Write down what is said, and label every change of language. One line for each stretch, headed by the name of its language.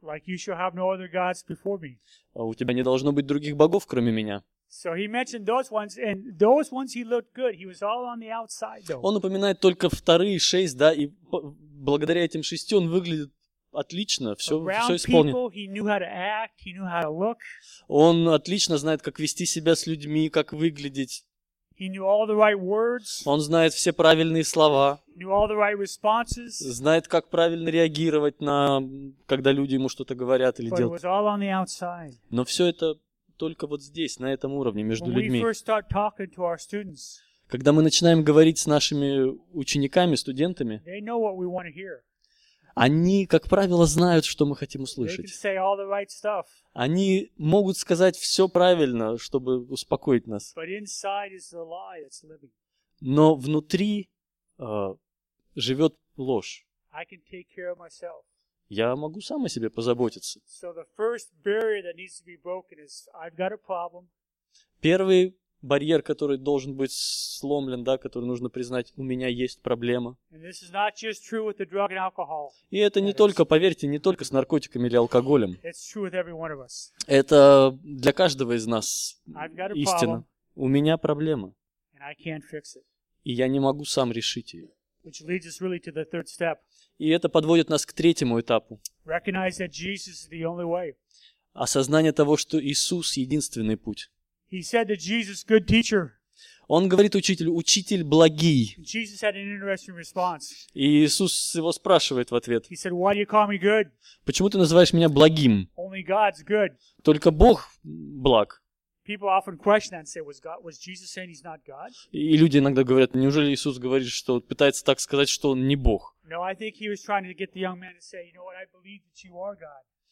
English: Like you shall have no other gods before me.
Russian: У тебя не должно быть других богов, кроме меня.
English: So he mentioned those ones, and those ones he looked good. He was all on the outside, though.
Russian: Он упоминает только вторые 6, да, и благодаря этим 6 он выглядит отлично, все исполнил.
English: Around people, he knew how to act, he knew how to look.
Russian: Он отлично знает, как вести себя с людьми, как выглядеть.
English: He knew all the right words.
Russian: Он знает все правильные слова.
English: Knew all the right responses.
Russian: Знает, как правильно реагировать на, когда люди ему что-то говорят или
English: But
Russian: делают.
English: It was all on the outside.
Russian: Но все это только вот здесь, на этом уровне, между
English: When
Russian: людьми.
English: We first start talking to our students,
Russian: когда мы начинаем говорить с нашими учениками, студентами,
English: they know what we want to hear.
Russian: Они, как правило, знают, что мы хотим услышать.
English: They can say all the right stuff.
Russian: Они могут сказать все правильно, чтобы успокоить нас.
English: But inside is the lie that's living.
Russian: Но внутри живет ложь.
English: I can take care of myself.
Russian: Я могу сам о себе позаботиться.
English: So the first barrier that needs to be broken is I've got a problem.
Russian: Первый барьер, который должен быть сломлен, да, который нужно признать, у меня есть проблема.
English: This is not just true with the drug and alcohol.
Russian: И это не только, поверьте, не только с наркотиками или алкоголем.
English: It's true with every one of us.
Russian: Это для каждого из нас истина. У меня проблема.
English: And I can't fix it.
Russian: И я не могу сам решить ее.
English: Which leads us really to the third step.
Russian: И это подводит нас к третьему этапу.
English: Recognize that Jesus is the only way.
Russian: Осознание того, что Иисус – единственный путь.
English: He said to Jesus, good teacher.
Russian: Он говорит учителю, учитель благий.
English: Jesus had an interesting response.
Russian: И Иисус его спрашивает в ответ.
English: He said, why do you call me good?
Russian: Почему ты называешь меня благим?
English: Only God's good.
Russian: Только Бог благ.
English: People often question that and say, was Jesus saying he's not God?
Russian: И люди иногда говорят, неужели Иисус говорит, что пытается так сказать, что он не Бог?
English: No, I think he was trying to get the young man to say, you know what, I believe that you are God.